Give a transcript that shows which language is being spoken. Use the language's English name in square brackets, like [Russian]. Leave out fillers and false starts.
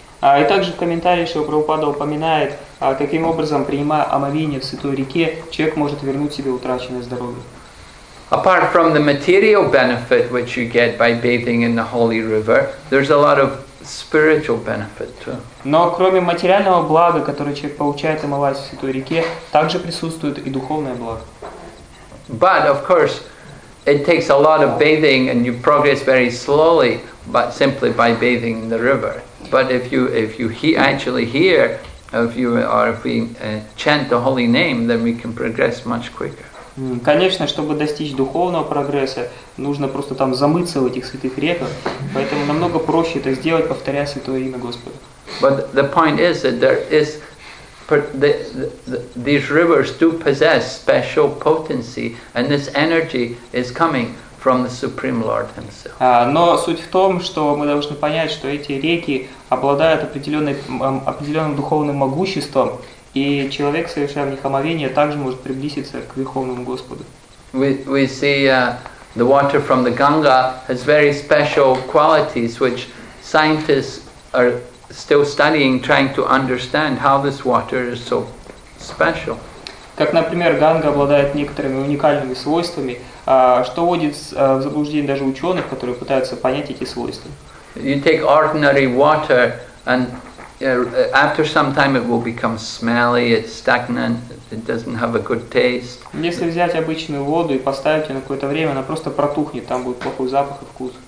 [Russian] И также в комментарии Шрила Прабхупада упоминает, каким образом, принимая омовение в святой реке, человек может вернуть себе утраченное здоровье. [English] Apart from the material benefit which you get by bathing in the holy river, there's a lot of spiritual benefit too. [Russian] Но кроме материального блага, которое человек получает, омываясь в святой реке, также присутствует и духовное благо. [English] But of course, it takes a lot of bathing, and you progress very slowly, but simply by bathing in the river. But if we chant the holy name, then we can progress much quicker. [Russian] Конечно, чтобы достичь духовного прогресса, нужно просто там замыться в этих святых реках, поэтому намного проще это сделать, повторяя святое имя Господа. [English] But the point is that there is these rivers do possess special potency, and this energy is coming from the Supreme Lord Himself. [Russian] Но суть в том, что мы должны понять, что эти реки обладают определенным духовным могуществом. И человек, совершая в них омовение, также может приблизиться к Верховному Господу. [English] We see the water from the Ganga has very special qualities, which scientists are still studying, trying to understand how this water is so special. [Russian] Как, например, Ганга обладает некоторыми уникальными свойствами, что вводит в заблуждение даже ученых, которые пытаются понять эти свойства. [English] You take ordinary water and after some time it will become smelly, it's stagnant, it doesn't have a good taste. [Russian] Если взять обычную воду и поставить ее на какое-то время, она просто протухнет, там будет плохой запах и вкус.